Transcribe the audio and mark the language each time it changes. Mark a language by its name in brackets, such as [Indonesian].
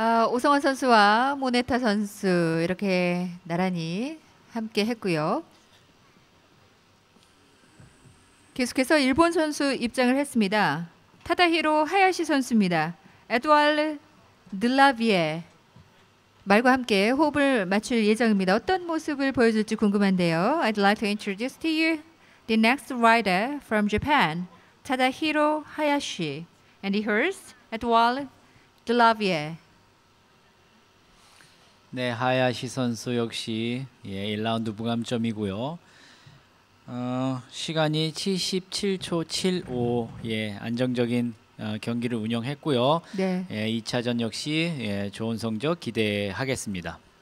[Korean] 오성환 선수와 모네타 선수 이렇게 나란히 함께 했고요. 계속해서 일본 선수 입장을 했습니다. 타다히로 하야시 선수입니다. 에드왈드 드라비에 말과 함께 호흡을 맞출 예정입니다. 어떤 모습을 보여줄지 궁금한데요. [English] I'd like to introduce to you the next rider from Japan, Tadahiro Hayashi, and hers, Edouard Delavier. [Korean] 네, 하야시 선수 역시 예, 1라운드 무감점이고요. 시간이 77초 75 예, 안정적인 경기를 운영했고요. 네. 예, 2차전 역시 예, 좋은 성적 기대하겠습니다.